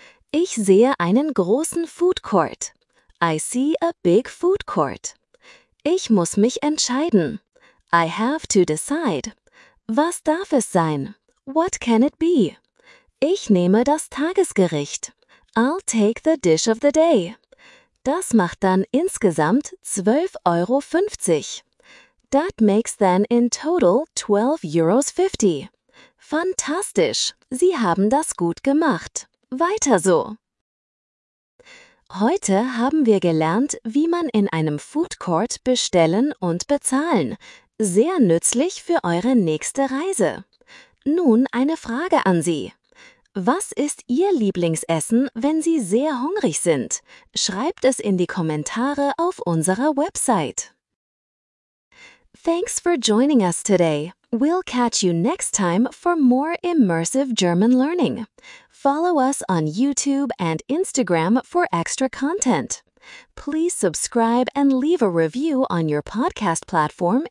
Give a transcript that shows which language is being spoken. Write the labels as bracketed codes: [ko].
[de] Ich sehe einen großen Food Court. [en] I see a big food court. [de] Ich muss mich entscheiden. [en] I have to decide. [de] Was darf es sein? [en] What can it be? [de] Ich nehme das Tagesgericht. [en] I'll take the dish of the day. [de] Das macht dann insgesamt 12,50 Euro. [en] That makes then in total 12,50 €. [de] Fantastisch! Sie haben das gut gemacht. Weiter so! Heute haben wir gelernt, wie man in einem Food Court bestellen und bezahlen. Sehr nützlich für eure nächste Reise. Nun eine Frage an Sie. Was ist Ihr Lieblingsessen, wenn Sie sehr hungrig sind? Schreibt es in die Kommentare auf unserer Website. [en] Thanks for joining us today. We'll catch you next time for more immersive German learning. Follow us on YouTube and Instagram for extra content. Please subscribe and leave a review on your podcast platform.